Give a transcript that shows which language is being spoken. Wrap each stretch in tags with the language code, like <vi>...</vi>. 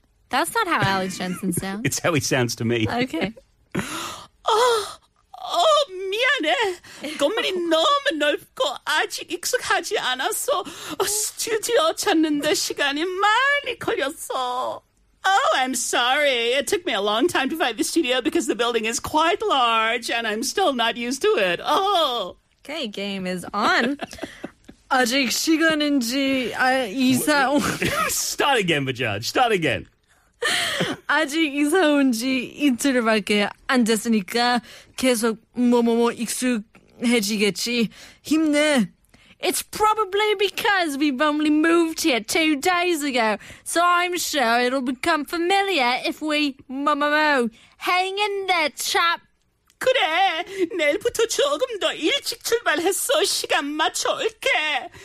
<en>That's not how Alex Jensen sounds. It's how he sounds to me. Okay.</en> <ko>Oh, 미안해. 건물이 너무 넓고 아직 익숙하지 않아서 스튜디오 찾는데 시간이 많이 걸렸어.</ko> <en>Oh, I'm sorry. It took me a long time to find the studio because the building is quite large and I'm still not used to it. Oh. Okay, game is on.</en> <ko>아직 시간인지 이사 온...</ko> <en>Start again, Bajaj. Start again.</en> <ko>아직 이사 온 지 이틀밖에 안 됐으니까 계속 뭐뭐뭐 익숙해지겠지. 힘내.</ko> <en>It's probably because we've only moved here 2 days ago, so I'm sure it'll become familiar if we, mo-mo-mo, hang in there, chap.</en> <ko>그래, 내일부터 조금 더 일찍 출발해서 시간 맞춰 올게.</ko>